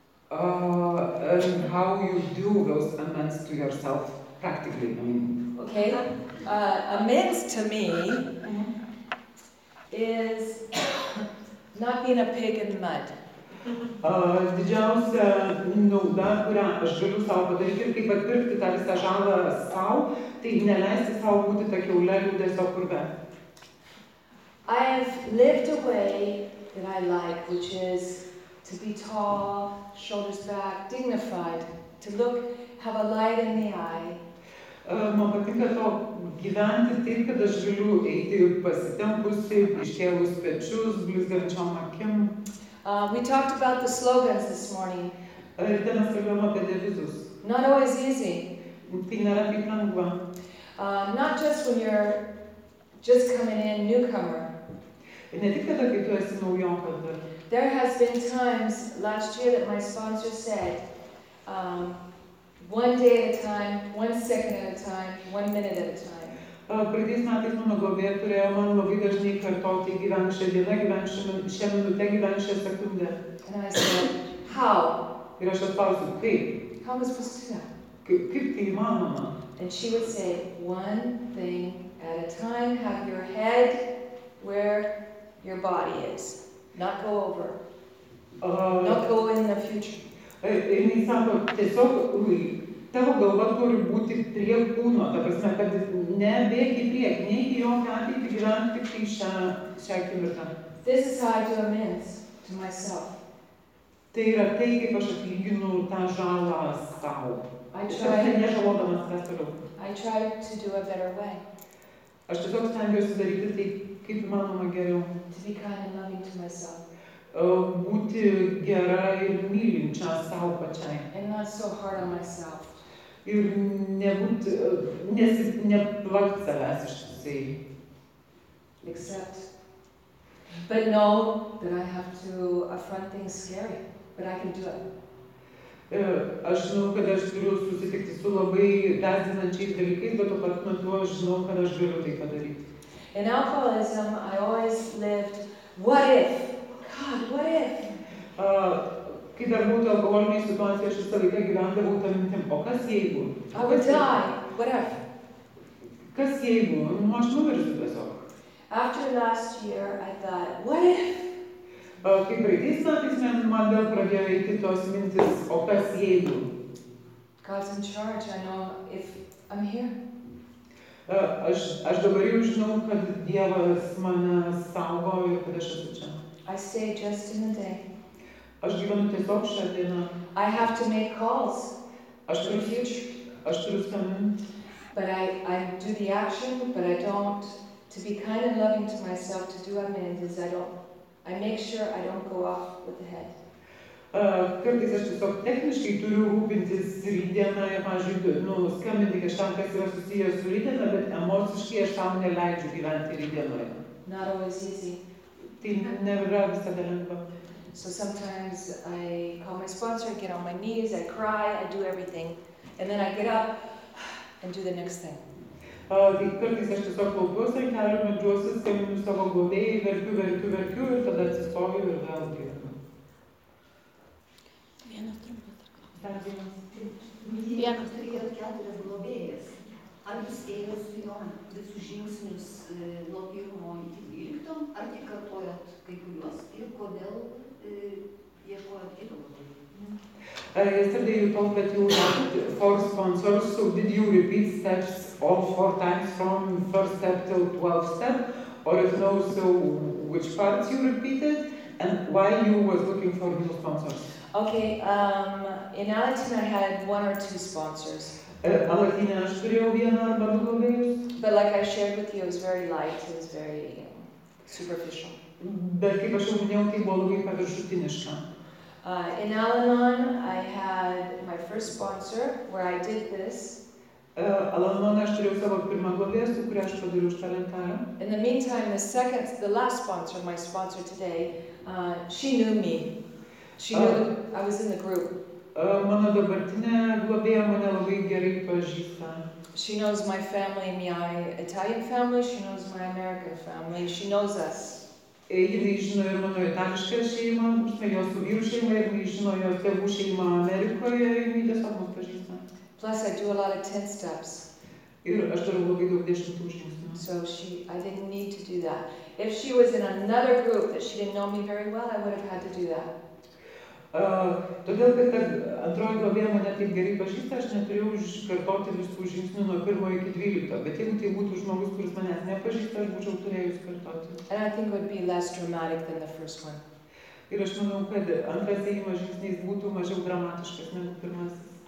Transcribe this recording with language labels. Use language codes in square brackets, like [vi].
[en] And how you do those amends to yourself practically? I mean. Okay, amends to me is not being a pig in the mud. [lt] Didžiausia nauda, kurią aš galiu savo padaryti ir kaip atpirkti tą visą žalą savo, tai neleisti savo būti tą kiaulę liūdesio purve. [en] I have lived a way that I like, which is to be tall, shoulders back, dignified, to look, have a light in the eye. [lt] Man patinka to gyventi taip, kad aš galiu eiti pasitempusi, iškėlus pečius, blizgančiom akim. [en] We talked about the slogans this morning. [lt] Ryte mes kalbėjom apie devizus. [en] Not always easy. [lt] Tai nėra taip lengva. [en] Not just when you're just coming in, newcomer. [lt] Ne tik tada, kai tu esi naujokas. [en] There has been times last year that my sponsor said, one day at a time, one second at a time, one minute at a time. [lt] Pradės metais mano globėja turėjo man labai dažnai kartoti gyvenk šią dieną, gyvenk šią minutę, gyvenk šią sekundę. [en] And I said, how? [lt] Ir aš atklausiu, kaip? [en] How am I supposed to do that? [lt] Kaip tai įmanoma? [en] And she would say, one thing at a time, have your head where your body is. Not go over. Not go in the future. [lt] Ir jis sako, tiesiog, tavo galva turi būti prie kūno, ta prasme, kad nebėk į priekį, neįk į jokią ateitį, gyvenk tik į šią akimirką. [en] This is how I do amends to myself. [lt] Tai yra tai, kaip aš atlyginu tą žalą savo. [en] I try to do a better way. [lt] Aš tiesiog stengiuosi daryti tai, kaip manoma geriau. [en] To be kind and loving to myself. [lt] Būti gera ir mylinčia savo pačiai. [en] And not so hard on myself. [lt] Ir neplakti savęs iš tiesiai. [en] Except. But know that I have to affront things scary. But I can do it. [lt] Aš žinau, kad aš turiu susitikti su labai gąsdinančiais dalykais, bet tuo pat metu aš žinau, kad aš galiu tai padaryti. [en] In alcoholism, I always lived, what if? God, what if? [lt] kai dar būtų alkoholinė situacija, aš visą laiką gyvendavau tą mintim, o kas jeigu? [en] I would die, whatever. [lt] Kas jeigu? Nu, aš numiršiu tiesiog. [en] After last year, I thought, what if? [lt] Kai praeitais metais man vėl pradėjo eiti tos mintis, o kas jeigu? [en] God's in charge, I know if I'm here. [lt] Aš dabar jau žinau, kad Dievas mane saugo ir kad aš esu čia. [en] I stay just in the day. [lt] Aš gyvenu tiesiog šią dieną. [en] I have to make calls. [lt] Aš turiu future. Aš turiu skambinti. [en] But I do the action, but I don't. To be kind and loving to myself, to do what means is I make sure I don't go off with the head. [lt] Kartais aš tiesiog techniškai turiu rūpintis rytdieną, pavyzdžiui, nu, skambinti kažkam, kas yra susijęs su rytdiena, bet emociškai aš tam neleidžiu gyventi rytdienoje. [en] Not always easy. [lt] Tai nėra visada lengva. [en] So sometimes I call my sponsor, get on my knees, I cry, I do everything, and then I get up and do the next thing. [lt] Kartais aš tiesiog klaukiuosi ant kelių, meldžiuosi, skambinu savo globėjai, verkiu, verkiu, verkiu, ir tada atsistoju ir vėl gyvenu. Vienas turėjot keturias globėjas. Ar jūs ėjot su juo visus žingsnius nuo pirmo iki dvylikto, ar tik kartojot kai kuriuos ir kodėl ieškojot kito globėjo? Jis pradėjo to, kad jūs [en] four sponsors, so did you repeat steps all four times from first step till 12th step? Or if no, so which parts you repeated and why you was looking for new sponsors? Okay, in Alatina I had one or two sponsors. [lt] Alatina aš turėjau vieną arba du globėjus. [en] But like I shared with you, it was very light, it was very superficial. [lt] Bet kaip aš jau minėjau, tai buvo labai paviršutiniška. [en] In Al-Anon I had my first sponsor where I did this. [lt] Al-Anon aš turėjau savo pirmą globėją, su kuria aš padariau šitą lentelę. [en] In the meantime, the last sponsor, my sponsor today, she knew me. She knew I was in the group. [lt] Mano dabartinė globėja mane labai gerai pažįsta. [en] She knows my family, my Italian family, she knows my American family, she knows us. [lt] Jis žino ir mano itališką šeimą, jo su vyru šeimą, ir jis žino jo tėvų šeimą Amerikoje, ir jis tiesiog mus pažįsta. [en] Plus, I do a lot of 10 steps. [lt] Ir aš darau labai daug 10 žingsnių. [en] So I didn't need to do that. If she was in another group that she didn't know me very well, I would have had to do that. [lt] Todėl, kad antroji globėja mane taip gerai pažįsta, aš neturėjau iškartoti visų žingsnių nuo pirmo iki dvylikto. Bet jeigu tai būtų žmogus, kuris manęs nepažįsta, aš būčiau turėjus kartoti. [en] And I think it would be less dramatic than the first one. [lt] Ir aš manau, kad antras ėjimas žingsnis būtų mažiau dramatiškas negu pirmas.